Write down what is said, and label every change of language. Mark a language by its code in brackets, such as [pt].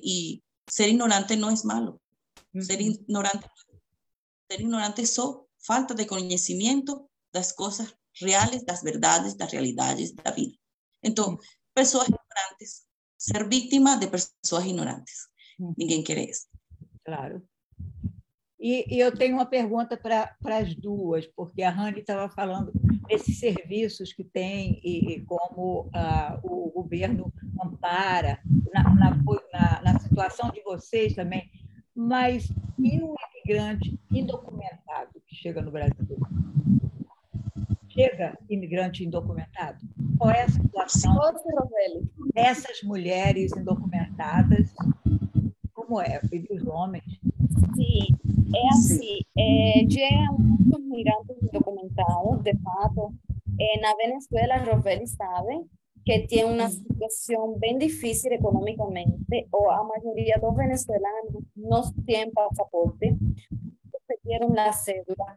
[es] Y ser ignorante no es malo. Ser ignorante es solo falta de conocimiento de las cosas reales, las verdades, las realidades de la vida. Entonces, personas ignorantes, ser víctima de personas ignorantes. Ninguém quiere eso. Claro. [pt] E eu tenho uma pergunta para as duas, porque a Rani estava falando desses serviços que tem e como o governo ampara na situação de vocês também, mas e um imigrante indocumentado que chega no Brasil? Chega imigrante indocumentado? Qual é a situação dessas mulheres indocumentadas? Como é? Os homens? Sim. [es] Es así, llegan muchos migrantes indocumentados, de fato. En Venezuela, Rovelli sabe que tiene una situación bien difícil económicamente, o la mayoría de los venezolanos no tienen pasaporte, no se dieron la cédula.